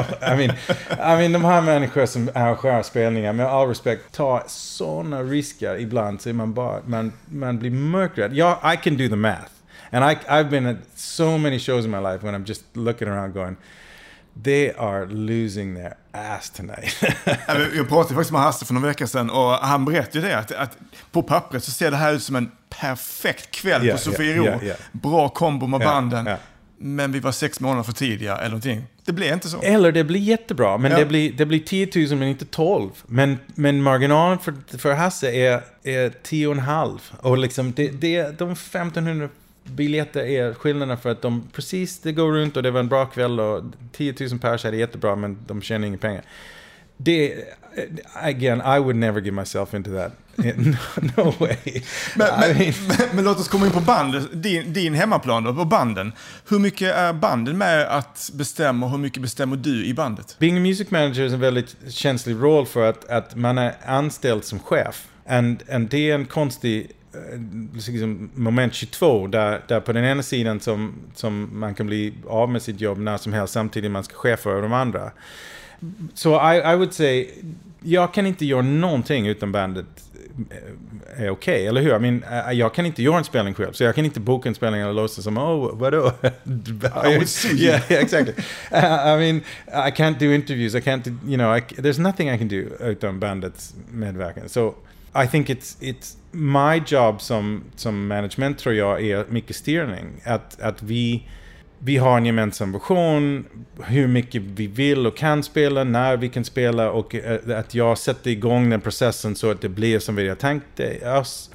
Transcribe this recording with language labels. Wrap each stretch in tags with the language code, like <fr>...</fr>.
<en>I mean,</en> <sv>de här människor som arrangerar spelningar, med all respekt, tar såna risker ibland så man bara, man blir mörkrädd.</sv> <en>Ja, I can do the math. And I've been at so many shows in my life when I'm just looking around going, they are losing their ass tonight.</en> <sv>Jag pratade faktiskt med Hasse för några veckor sedan och han berättade ju det, att på pappret så ser det här ut som en perfekt kväll,</sv> <en>yeah,</en> <sv>på Sofiero.</sv> <en>Yeah, yeah, yeah.</en> <sv>Bra kombo med banden.</sv> <en>Yeah, yeah.</en> <sv>Men vi var 6 månader för tidiga eller någonting. Det blir inte så. Eller det blir jättebra, men ja. det blir 10 000 men inte 12. Men marginalen för Hasse är 10,5. Och liksom de 1500 biljetter är skillnaden för att de precis, det går runt och det var en bra kväll och 10 000 pers är jättebra, men de tjänar inga pengar.</sv> <en>Det, again, I would never give myself into that. No way.</en> <sv>Men låt oss komma in på bandet. Din hemmaplan då, på banden. Hur mycket är banden med att bestämma och hur mycket bestämmer du i bandet?</sv> <en>Being a music manager is a</en> <sv>väldigt känslig roll för att man är anställd som chef. And det är en konstig liksom, moment 22 där på den ena sidan som man kan bli av med sitt jobb när som helst samtidigt man ska chefa över de andra.</sv> <en>So I would say</en> <sv>jag kan inte göra någonting utan bandet är okej, eller hur?</sv> <en>I mean,</en> <sv>jag kan inte göra en spelning själv, så jag kan inte boka en spelning eller låtsas som, oh, vadå?</sv> <en>I would see. Yeah, exactly. I mean, I can't do interviews, I can't, you know, there's nothing I can do</en> <sv>utan bandets medverkan.</sv> <en>So I think it's my job</en> <sv>som management, tror jag, är mycket styrning, att vi har en gemensam vision, hur mycket vi vill och kan spela, när vi kan spela, och att jag sätter igång den processen så att det blir som vi har tänkt oss.</sv>